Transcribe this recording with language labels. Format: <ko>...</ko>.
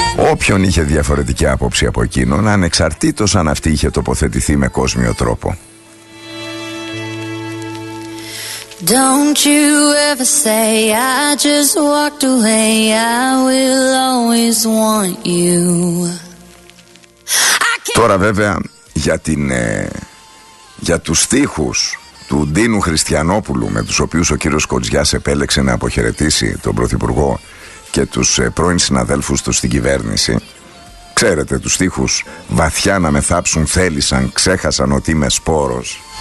<el>όποιον είχε διαφορετική άποψη από εκείνον, ανεξαρτήτως αν αυτή είχε τοποθετηθεί με κόσμιο τρόπο.</el> <en>Don't you ever say I just walked away, I will always want you.</en> <el>Τώρα βέβαια για την για τους στίχους του Ντίνου Χριστιανόπουλου, με τους οποίους ο κύριος Κοντζιάς επέλεξε να αποχαιρετήσει τον Πρωθυπουργό και τους πρώην συναδέλφους του στην κυβέρνηση. Ξέρετε τους στίχους, βαθιά να με θάψουν θέλησαν, ξέχασαν ότι είμαι σπόρος.</el>